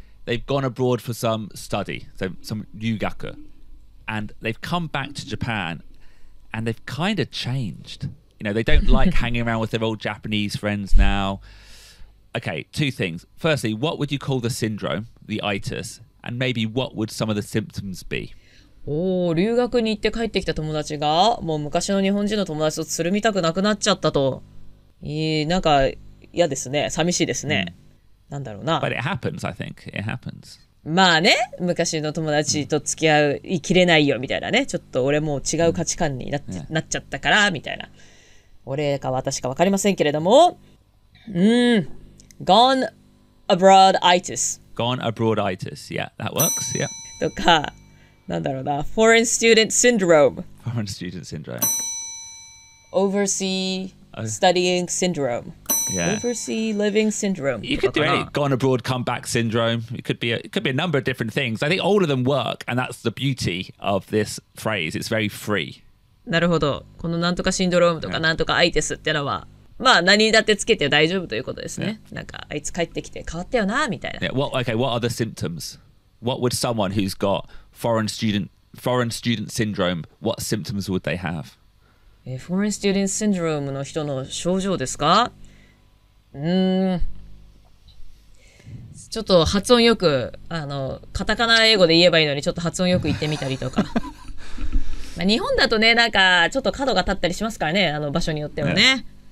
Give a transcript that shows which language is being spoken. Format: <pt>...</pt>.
<en>They've gone abroad for some study, so some 留学 and they've come back to Japan, and they've kind of changed. You know, they don't like hanging around with their old Japanese friends now. Okay, two things. Firstly, what would you call the syndrome, the itis, and maybe what would some of the symptoms be?</en> <ja>Oh, 留学に行って帰ってきた友達がもう昔の日本人の友達とつるみたくなくなっちゃったと。なんか嫌ですね。寂しいですね。なんだろうな。</ja> <en>But it happens, I think. It happens.</en> <ja>まあね、昔の友達と付き合いきれないよみたいなね。ちょっと俺もう違う価値観になっ、なっちゃったからみたいな。俺か私かわかりませんけれども。</ja> <en>Gone abroad itis. Gone abroad itis. Yeah, that works. Yeah.</en> <ja>とか、なんだろうな、</ja> <en>foreign student syndrome. Foreign student syndrome. Overseas studying syndrome. Yeah. Overseas living syndrome. You could do any gone abroad comeback syndrome. It could be a number of different things. I think all of them work, and that's the beauty of this phrase. It's very free.</en> <ja>なるほど。このなんとかシンドロームとかなんとかアイテスってのは。まあ何だってつけて大丈夫ということですね。</ja> <en>Yeah.</en> <ja>なんかあいつ帰ってきて変わったよなみたいな。</ja> <en>Yeah. What, okay, what are the symptoms? What would someone who's got foreign student syndrome, what symptoms would they have? Foreign student syndrome</en> <ja>の人の症状ですか？ちょっと発音よく、カタカナ英語で言えばいいのにちょっと発音よく言ってみたりとか。まあ日本だとね、なんかちょっと角が立ったりしますからね、あの場所によってもね。</ja>